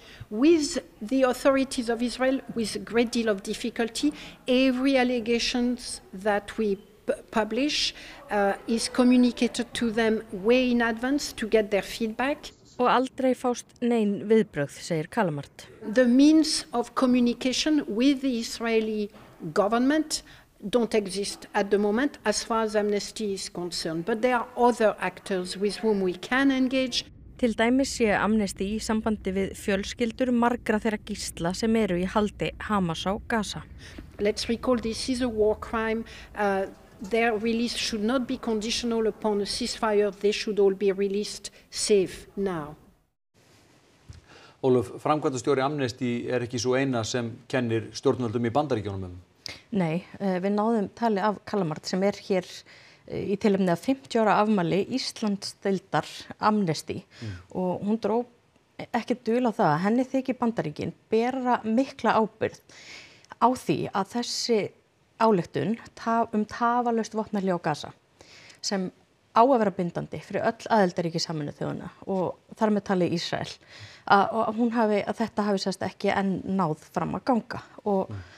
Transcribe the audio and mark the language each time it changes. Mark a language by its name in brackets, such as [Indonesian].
[English] With the authorities of Israel, with a great deal of difficulty, every allegations that we publish is communicated to them way in advance to get their feedback. [Icelandic] Og aldrei fást nein viðbrögð, segir Kalamart. [English] The means of communication with the Israeli government don't exist at the moment as far as Amnesty is concerned, but there are other actors with whom we can engage. [Icelandic] Til dæmis sé Amnesty í sambandi við fjölskyldur margra þeirra gísla sem eru í haldi Hamas á Gaza. [English] Let's recall this is a war crime. Their release should not be conditional upon a ceasefire. They should all be released safe now. [Icelandic] Ólöf, framkvæmdastjóri Amnesty er ekki svo eina sem kennir stjórnvöldum í Bandaríkjunum um. Nei, við náðum tali af Kalamart sem er hér í tilefni af 50 ára afmæli Íslandsdeildar Amnesty og hún dró ekki dul á það að henni þykir Bandaríkin bera mikla ábyrgð á því að þessi ályktun tafalaust vopnahlé á Gaza sem á að vera bindandi fyrir öll aðildarríki Sameinuðu þjóðanna og þar með tali Ísrael að þetta hafi sérst ekki enn náð fram að ganga og